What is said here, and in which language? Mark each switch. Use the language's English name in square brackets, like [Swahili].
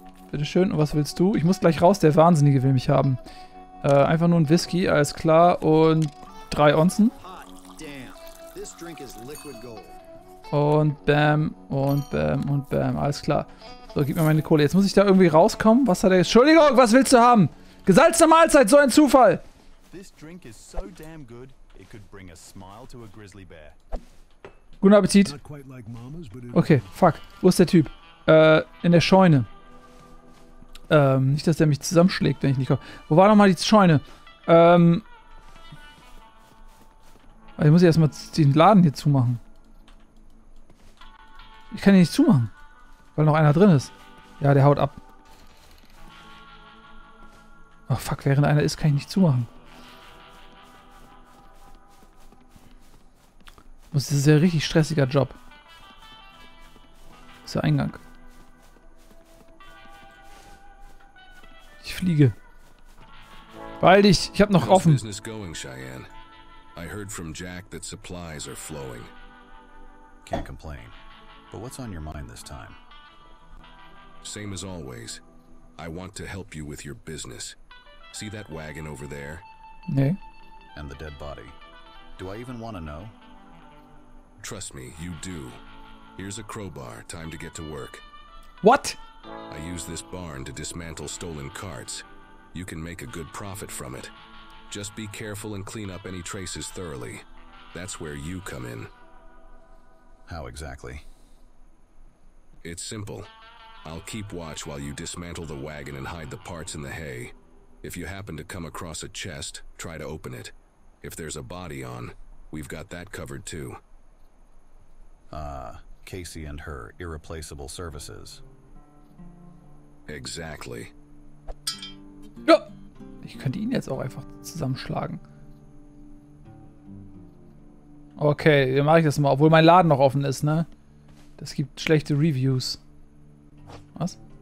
[German] Bitteschön, und was willst du? Ich muss gleich raus, der Wahnsinnige will mich haben. Einfach nur ein Whisky, alles klar. Und 3 Onzen. Und bam. Alles klar. So, gib mir meine Kohle. Jetzt muss ich da irgendwie rauskommen. Was hat er? Entschuldigung, was willst du haben? Gesalzene Mahlzeit, so ein Zufall. [English] This drink is so damn good, it could bring a smile to a grizzly bear. [German] Guten Appetit. Okay, fuck. Wo ist der Typ? In der Scheune. Nicht, dass der mich zusammenschlägt, wenn ich nicht komme. Wo war nochmal die Scheune? Ich muss ja erstmal den Laden hier zumachen. Ich kann ihn nicht zumachen, weil noch einer drin ist. Ja, der haut ab. Ach fuck, während einer ist, kann ich nicht zumachen. Das ist ja ein richtig stressiger Job. Das ist der Eingang. Ich fliege. Beeil dich, ich hab noch offen. [English] Business going, Cheyenne. I heard from Jack that supplies are flowing. Can't complain. But what's on your mind this time? Same as always. I want to help you with your business. See that wagon over there? [German] Nee. [English] And the dead body. Do I even want to know? Trust me, you do. Here's a crowbar. Time to get to work. What? I use this barn to dismantle stolen carts. You can make a good profit from it. Just be careful and clean up any traces thoroughly. That's where you come in. How exactly? It's simple. I'll keep watch while you dismantle the wagon and hide the parts in the hay. If you happen to come across a chest, try to open it. If there's a body on, we've got that covered too. Casey and her irreplaceable services. Exactly. [German] Ja. Ich könnte ihn jetzt auch einfach zusammenschlagen. Okay, dann mache ich das mal, obwohl mein Laden noch offen ist, ne? Das gibt schlechte Reviews. Was?